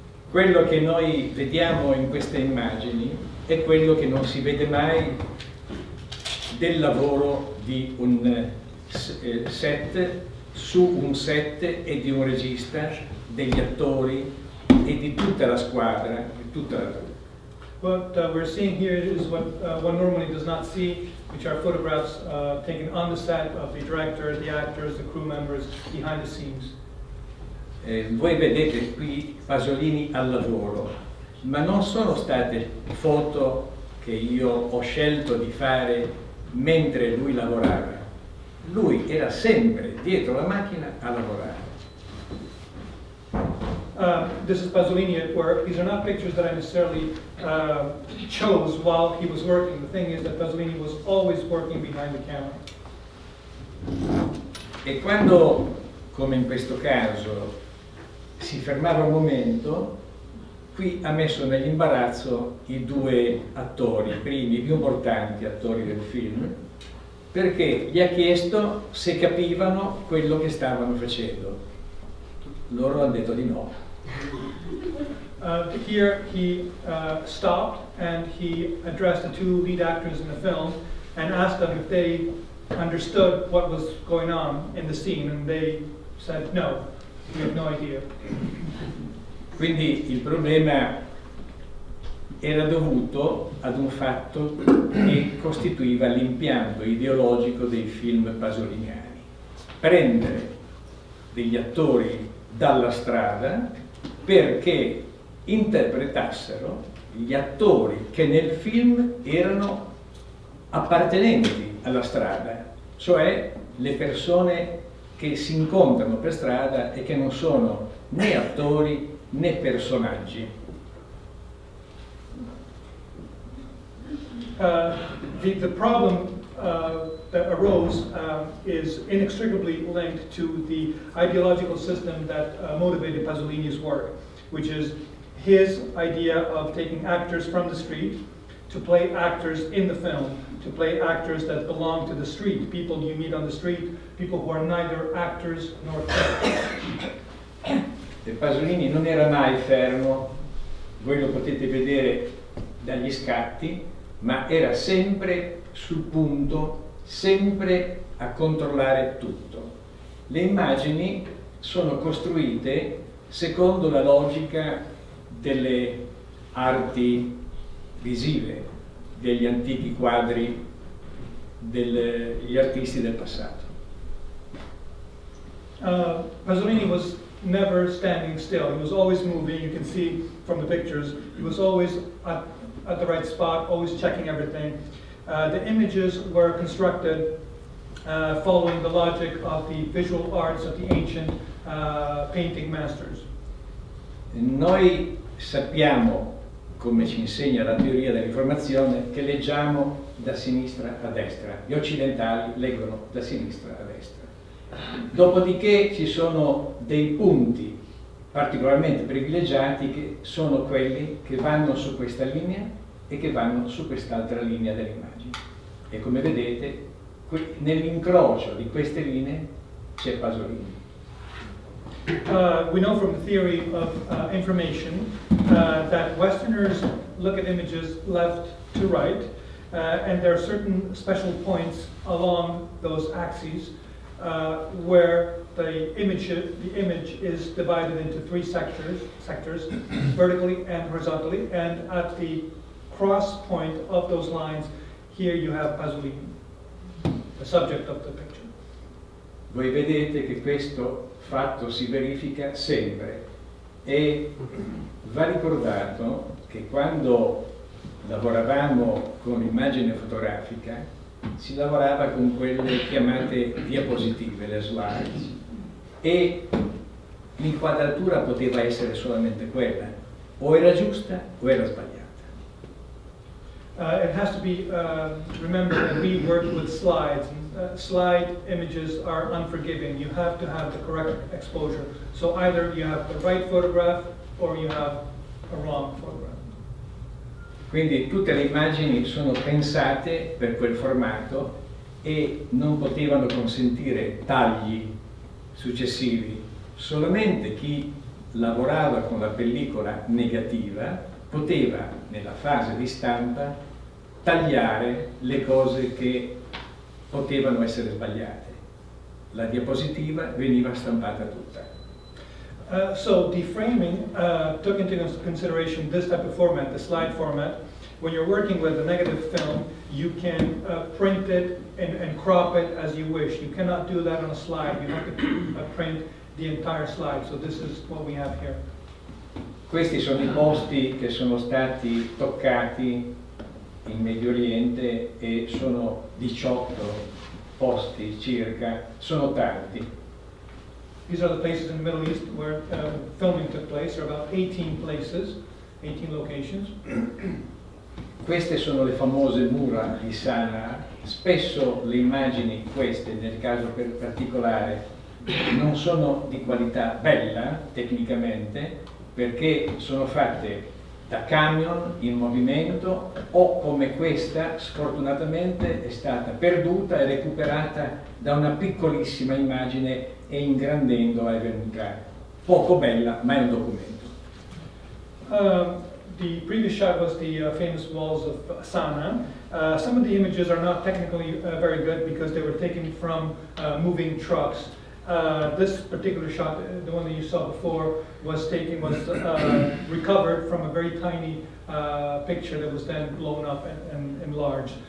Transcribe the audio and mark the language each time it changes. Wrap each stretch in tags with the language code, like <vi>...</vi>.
<it>Quello che noi vediamo in queste immagini è quello che non si vede mai del lavoro di un set, su un set e di un regista, degli attori e di tutta la squadra, di tutta la troupe.</it> <en>What we're seeing here is what one normally does not see, which are photographs taken on the set of the director, the actors, the crew members, behind the scenes.</en> <it>Voi vedete qui Pasolini al lavoro, ma non sono state foto che io ho scelto di fare mentre lui lavorava. Lui era sempre dietro la macchina a lavorare.</it> <en>This is Pasolini at work. These are not pictures that I necessarily chose while he was working. The thing is that Pasolini was always working behind the camera.</en> <it>E quando, come in questo caso, si fermava un momento, qui ha messo nell'imbarazzo i due attori, i primi, i più importanti attori del film, perché gli ha chiesto se capivano quello che stavano facendo. Loro hanno detto di no.</it> <en>Here he stopped and he addressed the two lead actors in the film and asked them if they understood what was going on in the scene, and they said no, we have no idea.</en> <it>Quindi il problema era dovuto ad un fatto che costituiva l'impianto ideologico dei film pasoliniani: prendere degli attori dalla strada perché interpretassero gli attori che nel film erano appartenenti alla strada, cioè le persone che si incontrano per strada e che non sono né attori né personaggi.</it> <en>The problem that arose is inextricably linked to the ideological system that motivated Pasolini's work, which is his idea of taking actors from the street to play actors in the film, to play actors that belong to the street, people you meet on the street, people who are neither actors nor characters.</en> <it>E Pasolini non era mai fermo, voi lo potete vedere dagli scatti, ma era sempre sul punto, sempre a controllare tutto. Le immagini sono costruite secondo la logica delle arti visive, degli antichi quadri degli artisti del passato.</it> <en>Pasolini was never standing still. He was always moving. You can see from the pictures. He was always at the right spot, always checking everything. The images were constructed following the logic of the visual arts of the ancient painting masters.</en> <it>Noi sappiamo, come ci insegna la teoria dell'informazione, che leggiamo da sinistra a destra. Gli occidentali leggono da sinistra a destra. Dopodiché ci sono dei punti particolarmente privilegiati che sono quelli che vanno su questa linea e che vanno su quest'altra linea dell'immagine. E come vedete, nell'incrocio di queste linee c'è Pasolini.</it> <en>We know from the theory of information that Westerners look at images left to right, and there are certain special points along those axes where the image is divided into three sectors, vertically and horizontally, and at the cross point of those lines, here you have Pasolini, the subject of the picture.</en> <it>Voi vedete che questo fatto si verifica sempre e va ricordato che quando lavoravamo con immagine fotografica si lavorava con quelle chiamate diapositive, le slides, e l'inquadratura poteva essere solamente quella, o era giusta o era sbagliata.</it> <en>It has to be remembered that we work with slides. Slide images are unforgiving. You have to have the correct exposure. So either you have the right photograph or you have a wrong photograph.</en> <it>Quindi tutte le immagini sono pensate per quel formato e non potevano consentire tagli successivi. Solamente chi lavorava con la pellicola negativa poteva, nella fase di stampa, tagliare le cose che potevano essere sbagliate. La diapositiva veniva stampata tutta.</it> <en>So the framing took into consideration this type of format, the slide format. When you're working with a negative film, you can print it and crop it as you wish. You cannot do that on a slide. You have to print the entire slide. So this is what we have here.</en> <it>Questi sono i posti che sono stati toccati in Medio Oriente e sono 18 posti circa, sono tanti.</it> <en>These are the places in the Middle East where filming took place. There are about 18 places, 18 locations.</en> <it>Queste sono le famose mura di Sanaa. Spesso le immagini, queste nel caso particolare, non sono di qualità bella tecnicamente, perché sono fatte da camion in movimento o come questa sfortunatamente è stata perduta e recuperata da una piccolissima immagine e ingrandendo è venuta poco bella, ma è un documento.</it> <en>The previous shot was the famous walls of Sanaa. Some of the images are not technically very good because they were taken from moving trucks. This particular shot, the one that you saw before, was recovered from a very tiny picture that was then blown up and enlarged.</en>